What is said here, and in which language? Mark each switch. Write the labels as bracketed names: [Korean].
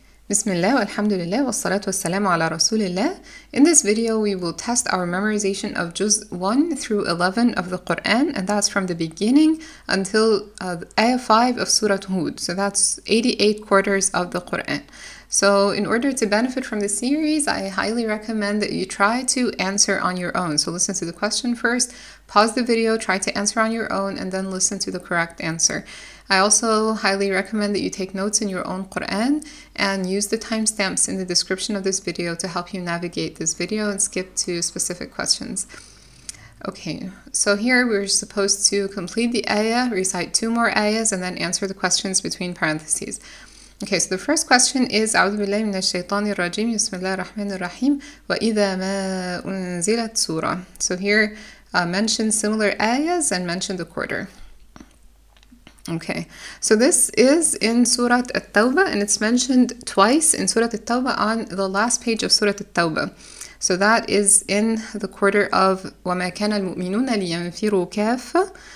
[Arabic] بسم الله والحمد لله والصلاة والسلام على رسول الله. [English] In this video, we will test our memorization of Juz 1 through 11 of the Quran, and that's from the beginning until Ayah 5 of Surah Hud. So that's 88 quarters of the Quran. So in order to benefit from the series, I highly recommend that you try to answer on your own. So listen to the question first, pause the video, try to answer on your own, and then listen to the correct answer. I also highly recommend that you take notes in your own Quran and use the timestamps in the description of this video to help you navigate this video and skip to specific questions. Okay, so here we're supposed to complete the ayah, recite two more ayahs, and then answer the questions between parentheses. Okay, so the first question is [Arabic] أعوذ بالله من الشيطان الرجيم بسم الله الرحمن الرحيم وإذا ما أنزلت سورة. [English] So here mention similar ayahs and mention the quarter. Okay, so this is in Surah At-Tawbah and it's mentioned twice in Surah At-Tawbah on the last page of Surah At-Tawbah. So that is in the quarter of [Arabic] وَمَا كَانَ الْمُؤْمِنُونَ لِيَنْفِرُوا كَافَّةً.